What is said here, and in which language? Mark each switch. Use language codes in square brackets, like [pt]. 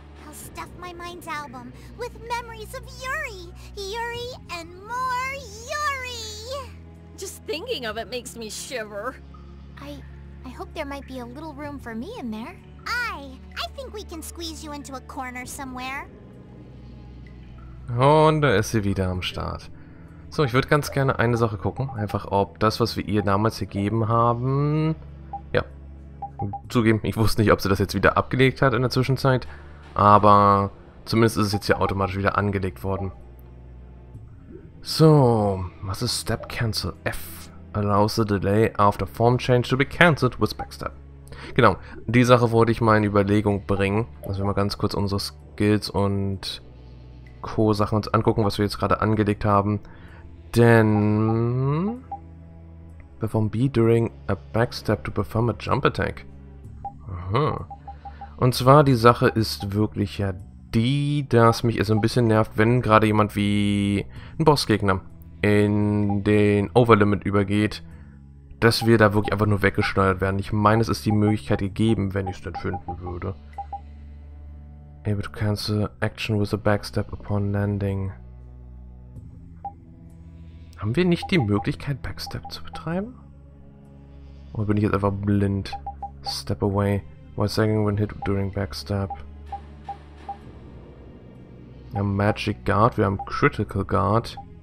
[en] I'll stuff my mind's album with memories of Yuri! Yuri and more Yuri! Just thinking of it makes me shiver. I hope there might be a little room for me in there. I think we can squeeze you into a corner somewhere. [de] Und da ist sie wieder am Start. So, ich würde ganz gerne eine Sache gucken. Einfach, ob das, was wir ihr damals gegeben haben... Ja. Zugeben, ich wusste nicht, ob sie das jetzt wieder abgelegt hat in der Zwischenzeit. Aber zumindest ist es jetzt hier automatisch wieder angelegt worden. So, was ist Step Cancel F? [en] Allows the delay after form change to be cancelled with Backstep. [de] Genau, die Sache wollte ich mal in Überlegung bringen. Lass wir mal ganz kurz unsere Skills und Co-Sachen uns angucken, was wir jetzt gerade angelegt haben. [en] Denn... perform B during a Backstep to perform a Jump Attack. Aha. [de] Und zwar, die Sache ist wirklich ja die, dass mich es ein bisschen nervt, wenn gerade jemand wie ein Bossgegner in den Overlimit übergeht, dass wir da wirklich einfach nur weggeschleudert werden. Ich meine, es ist die Möglichkeit gegeben, wenn ich es denn finden würde. [en] Able to cancel action with a backstep upon landing. [de] Haben wir nicht die Möglichkeit, Backstep zu betreiben? Oder bin ich jetzt einfach blind? [en] Step away. While sagging when hit during backstep. [de] Wir haben Magic Guard, wir haben Critical Guard.